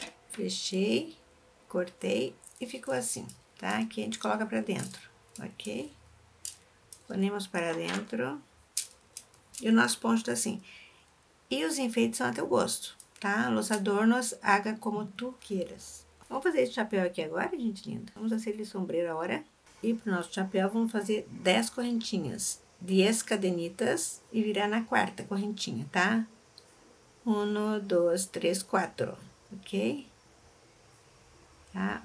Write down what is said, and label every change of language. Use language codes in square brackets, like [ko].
[pt] Fechei, cortei e ficou assim, tá? Aqui a gente coloca para dentro, ok? [es] Ponemos para dentro. [pt] E o nosso ponto tá assim. E os enfeites são a teu gosto, tá? [es] Los adornos haga como tu queiras. [pt] Vamos fazer esse chapéu aqui agora, gente linda. Vamos fazer ele sombreiro agora. E pro nosso chapéu vamos fazer 10 correntinhas, [es] 10 cadenitas [pt] e virar na quarta correntinha, tá? [es] Uno, [pt] dois, três, quatro, ok? Tá?